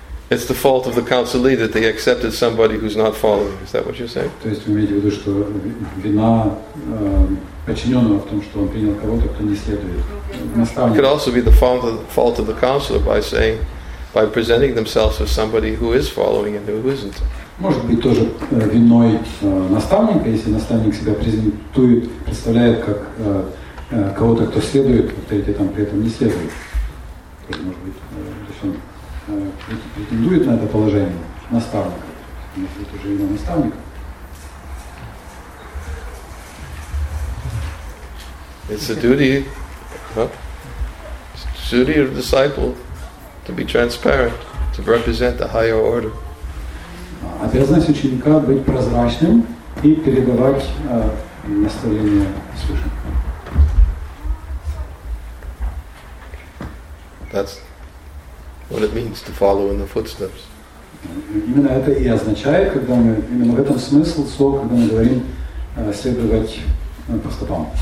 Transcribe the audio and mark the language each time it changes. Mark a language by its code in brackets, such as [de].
[en] It's the fault of the counselee that they accepted somebody who's not following. Is that what you're saying? [ru] То есть вы имеете в виду, что вина подчиненного в том, что он принял кого-то, кто не следует наставнику. [en] It could also be the fault of the counselor by presenting themselves as somebody who is following and who isn't. [ru] Может быть тоже виной наставника, если наставник себя представляет как кого-то, кто следует, повторите, там при этом не следует. Может быть, то есть он претендует на это положение наставника. Может быть, уже его наставник. [en] It's a duty, huh? It's the duty of the disciple to be transparent, to represent the higher order. [ru] Обязанность ученика быть прозрачным и передавать наставление свыше. [en] That's what it means to follow in the footsteps. [ru] Именно это и означает, когда мы именно в этом смысл слова, когда мы говорим следовать по стопам.